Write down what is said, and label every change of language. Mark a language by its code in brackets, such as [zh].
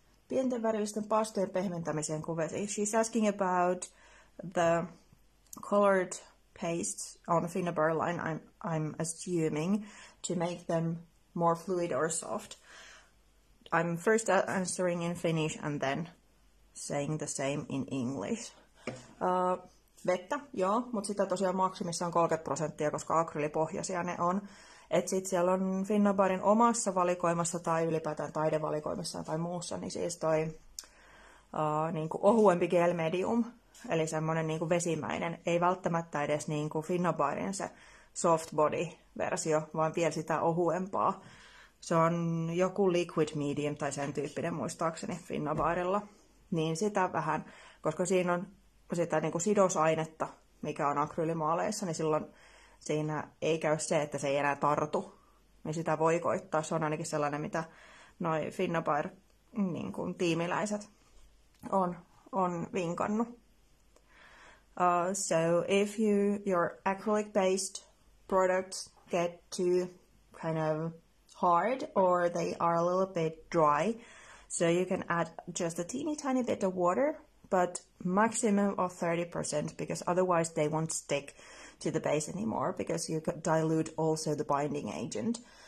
[fi] Pienten värillisten pastojen pehmentämiseen kuvesi. [en] She's asking about the colored paste on Finnabar line, I'm assuming, to make them more fluid or soft. I'm first answering in Finnish and then saying the same in English. [fi] Vettä, joo, mutta sitä tosiaan maksimissaan 30%, koska akryylipohjaisia ne on. Et sit siellä on Finnabarin omassa valikoimassa tai ylipäätään taidevalikoimassa tai muussa, niin siis toi niinku ohuempi gel medium, eli semmoinen niinku vesimäinen, ei välttämättä edes niinku Finnabarin se soft body -versio, vaan vielä sitä ohuempaa. Se on joku liquid medium tai sen tyyppinen muistaakseni Finnabarilla. Niin sitä vähän, koska siinä on sitä niinku sidosainetta, mikä on akryylimaaleissa, niin silloin siinä ei käy se, että se ei enää tartu, niin sitä voi koittaa. Se on ainakin sellainen, mitä noi Finnabar niin kuin tiimiläiset on vinkannut. [en] So if your acrylic based products get too kind of hard or they are a little bit dry, so you can add just a teeny tiny bit of water, but maximum of 30%, because otherwise they won't stick to the base anymore, because you could dilute also the binding agent.